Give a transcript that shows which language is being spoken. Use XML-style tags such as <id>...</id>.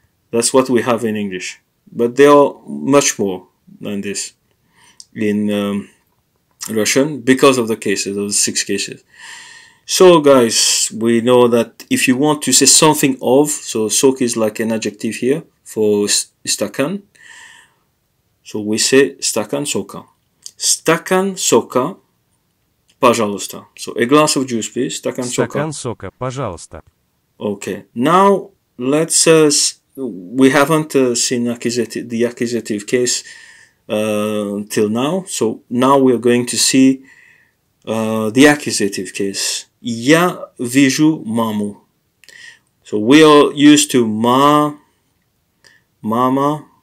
<en>That's what we have in English. But there are much more than this in Russian because of the cases, those six cases. So guys, we know that if you want to say something of, so sok is like an adjective here for stakan.</en> <ru>So we say стакан сока. Стакан сока, пожалуйста.</ru> <en>So a glass of juice, please.</en> <ru>Стакан сока. Стакан сока, пожалуйста.</ru> <en>Okay. Now let's we haven't seen the accusative case till now. So now we are going to see the accusative case.</en> <ru>Я вижу маму.</ru> <en>So we are used to мама.</en>